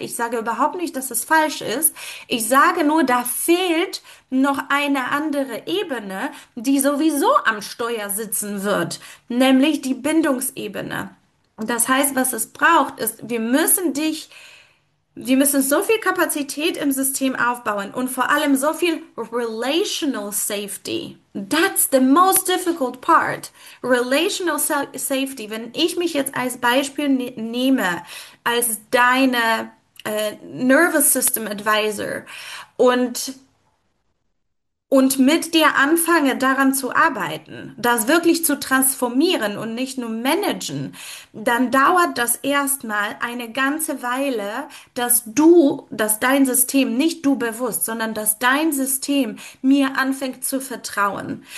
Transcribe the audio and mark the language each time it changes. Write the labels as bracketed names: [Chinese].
[German] Ich sage überhaupt nicht, dass es falsch ist. Ich sage nur, da fehlt noch eine andere Ebene, die sowieso am Steuer sitzen wird, nämlich die Bindungsebene. Das heißt, was es braucht, ist, wir müssen so viel Kapazität im System aufbauen und vor allem so viel relational safety. [English] That's the most difficult part. Relational safety. [German] Wenn ich mich jetzt als Beispiel ne nehme, als deine Nervous System Advisor und mit dir anfange, daran zu arbeiten, das wirklich zu transformieren und nicht nur managen, dann dauert das erstmal eine ganze Weile, dass dein System, nicht du bewusst, sondern dass dein System mir anfängt zu vertrauen.